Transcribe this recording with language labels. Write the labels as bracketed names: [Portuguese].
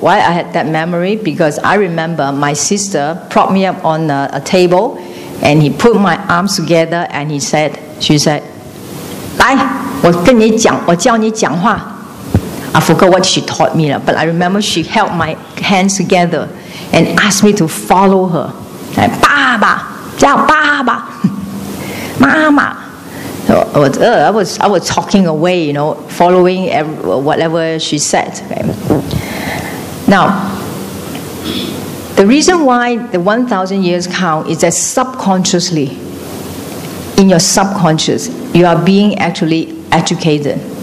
[English] Why I had that memory? Because I remember my sister propped me up on a table and he put my arms together and she said, [Chinese] 来,我跟你讲,我教你讲话. [English] I forgot what she taught me, but I remember she held my hands together and asked me to follow her. Like, [Chinese] 爸爸,叫爸爸, 妈妈. [English] I was talking away, you know, following whatever she said. Okay. Now, the reason why the 1,000 years count is that subconsciously, in your subconscious, you are being actually educated.